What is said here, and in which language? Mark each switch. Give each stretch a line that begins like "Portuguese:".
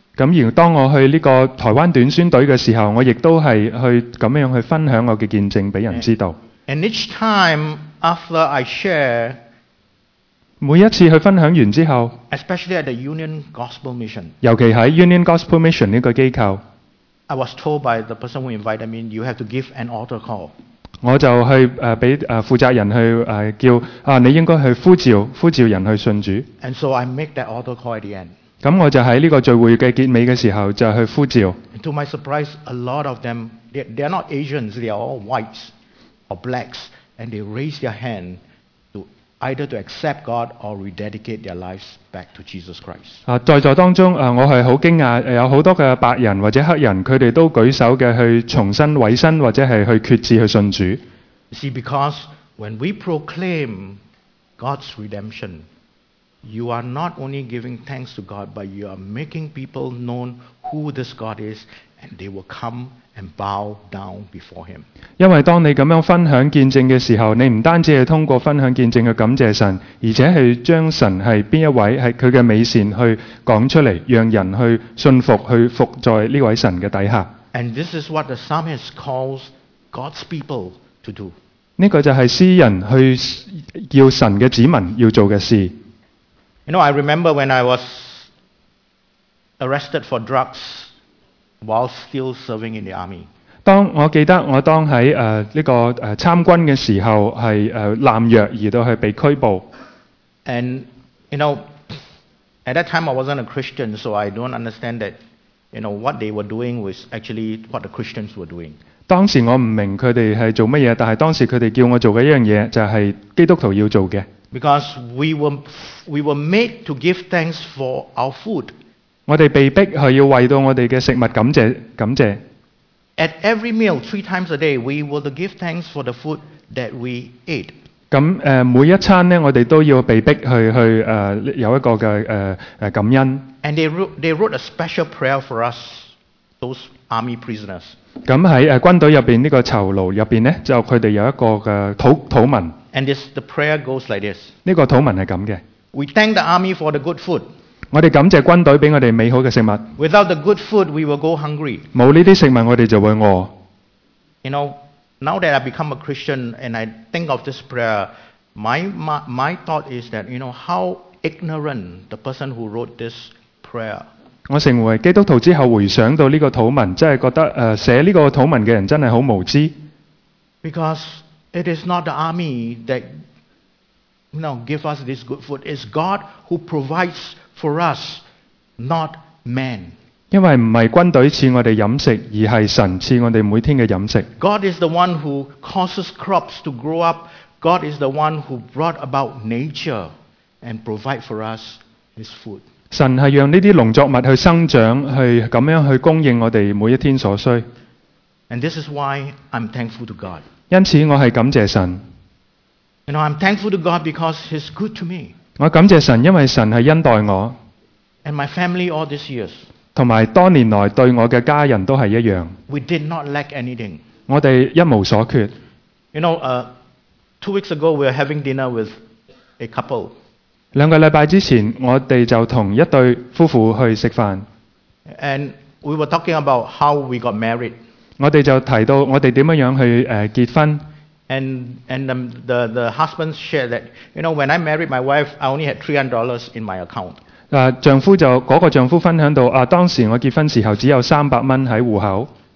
Cantonese: 咁而當我去呢個台灣短宣隊嘅時候，我亦都係去咁樣去分享我嘅見證俾人知道。
English: And each time after I share,
Cantonese: 每一次去分享完之後
English: ，especially at the Union Gospel Mission，
Cantonese: 尤其喺 Union Gospel Mission 呢個機構
English: ，I was told by the person who invited me, you have to give an altar call.
Cantonese: 我就去俾負責人去叫你應該去呼召人去信主。
English: And so I make that altar call at the end.
Cantonese: 咁我就喺呢個聚會嘅結尾嘅時候就去呼召。
English: And to my surprise, a lot of them they're not Asians, they are all whites or blacks, and they raise their hand to either to accept God or rededicate their lives back to Jesus Christ.
Cantonese: 在座當中我係好驚訝，有好多嘅白人或者黑人，佢哋都舉手嘅去重新委身或者係去決志去信主。
English: See, because when we proclaim God's redemption, you are not only giving thanks to God, but you are making people known who this God is, and they will come. And bow down before him.
Cantonese: 因为当你咁样分享见证嘅时候，你唔单止系通过分享见证去感谢神，而且系将神系边一位系佢嘅美善去讲出嚟，让人去信服，去服在呢位神嘅底下。
English: And this is what the psalmist calls God's people to do.
Cantonese: 呢个就系诗人去叫神嘅子民要做嘅事。
English: You know, I remember when I was arrested for drugs. While still serving in the army,
Cantonese: 当我记得我当喺呢个参军嘅时候系滥药而到去被拘捕。
English: And you know, at that time I wasn't a Christian, so I don't understand that you know what they were doing was actually what the Christians were doing.
Cantonese: 当时我唔明佢哋系做乜嘢，但系当时佢哋叫我做嘅一样嘢就系基督徒要做嘅。
English: Because we were made to give thanks for our food.
Cantonese: 我哋被迫系要为到我哋嘅食物感谢。
English: At every meal, three times a day, we were to give thanks for the food that we ate.
Cantonese: 咁每一餐咧，我哋都要被迫去有一个嘅感恩。
English: And they wrote a special prayer for us, those army prisoners.
Cantonese: 咁喺军队入边呢个囚牢入边咧，就佢哋有一个嘅祷文。
English: And this the prayer goes like this.
Cantonese: 呢个祷文系咁嘅。
English: We thank the army for the good food.
Cantonese: 我哋感謝軍隊俾我哋美好嘅食物。
English: Without the good food, we will go hungry.
Cantonese: 冇呢啲食物，我哋就會餓。
English: You know, now that I become a Christian and I think of this prayer, my thought is that you know how ignorant the person who wrote this prayer.
Cantonese: 我成為基督徒之後，回想到呢個禱文，真係覺得寫呢個禱文嘅人真係好無知。
English: Because it is not the army that you know give us this good food. It's God who provides. For us, not man.
Cantonese: 因为唔系军队赐我哋饮食，而系神赐我哋每天嘅饮食。
English: God is the one who causes crops to grow up. God is the one who brought about nature and provide for us his food.
Cantonese: 神系让呢啲农作物去生长，去咁样去供应我哋每一天所需。
English: And this is why I'm thankful to God.
Cantonese: 因此我系感谢神。
English: You know, I'm thankful to God because He's good to me.
Cantonese: 我感謝神，因為神係恩待我。
English: And my family all these years.
Cantonese: 同埋多年來對我嘅家人都係一樣。
English: We did not lack anything.
Cantonese: 我哋一無所缺。
English: You know, two weeks ago we were having dinner with a couple.
Cantonese: 兩個禮拜之前，我哋就同一對夫婦去食飯。
English: And we were talking about how we got married.
Cantonese: 我哋就提到我哋點樣樣去結婚。
English: And the husband shared that you know when I married my wife I only had $300 in my account.
Cantonese: 丈夫就嗰、那个丈夫分享到当时我结婚时候只有$300喺户口。